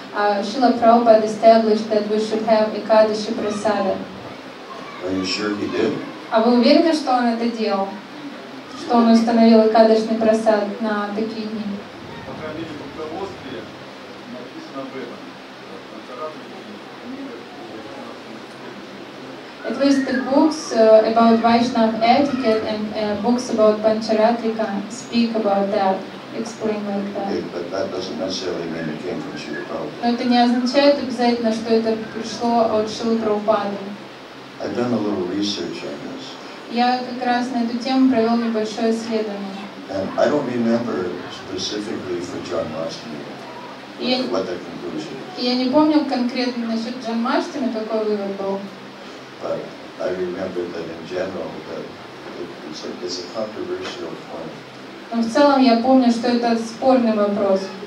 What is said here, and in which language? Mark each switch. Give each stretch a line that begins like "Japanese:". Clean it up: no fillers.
English: Srila Prabhupada established that we should have Ekadashi Prasada. Are you sure he did?
Russian: А вы уверены, что он это делал? Что он установил Экадашный Прасад на такие дни?
English: At least the books about Vaishnava etiquette and books about Pancharatrika speak about that, explain like that. Okay, but that doesn't necessarily mean it came from Srila Prabhupada.
Russian: Но это не означает обязательно, что это пришло от Шрилы Прабхупады.
English: I've done a little research on this.
Russian: Я как раз на эту тему провел небольшое исследование.
English: And I don't remember specifically for John Mastin what their conclusion is.
Russian: Я не помню конкретно насчет Джон Мастина, какой вывод был.
English: But I remember that in general that it's a controversial point.
Russian: Но в целом я помню, что это спорный вопрос.